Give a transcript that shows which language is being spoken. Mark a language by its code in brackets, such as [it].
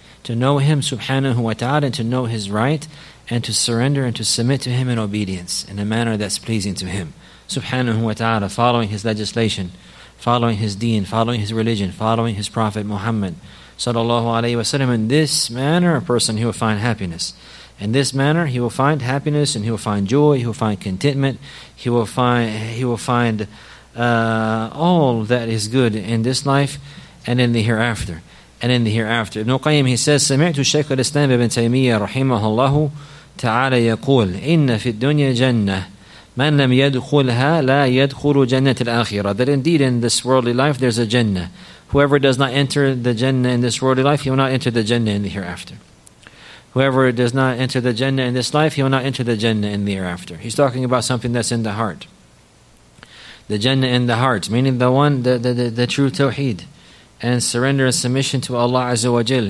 [en] to know Him subhanahu wa ta'ala, and to know His right, and to surrender and to submit to Him in obedience, in a manner that's pleasing to Him subhanahu wa ta'ala, following His legislation, following His deen, following His religion, following His Prophet Muhammad sallallahu alayhi wa sallam. In this manner, a person, he will find happiness. In this manner, he will find happiness, and he will find joy, he will find contentment, he will find all that is good in this life and in the hereafter. And in the hereafter, Ibn Qayyim, he says, [ar] سَمِعْتُ شَيْكَ الْإِسْلَامِ بِبْنْ تَيْمِيَّ رَحِيمَهُ اللَّهُ تَعَالَى يَقُولُ إِنَّ فِي الدُّنْيَا جَنَّةٌ مَنْ لَمْ يَدْخُلْهَا لَا يَدْخُلُ جَنَّةِ الْآخِرَةِ. [en] That indeed in this worldly life there's a Jannah. Whoever does not enter the Jannah in this worldly life, he will not enter the Jannah in the hereafter. Whoever does not enter the Jannah in this life, he will not enter the Jannah in the hereafter. He's talking about something that's in the heart. The Jannah in the heart, meaning the one, the true Tawheed, and surrender and submission to Allah Azza wa Jal.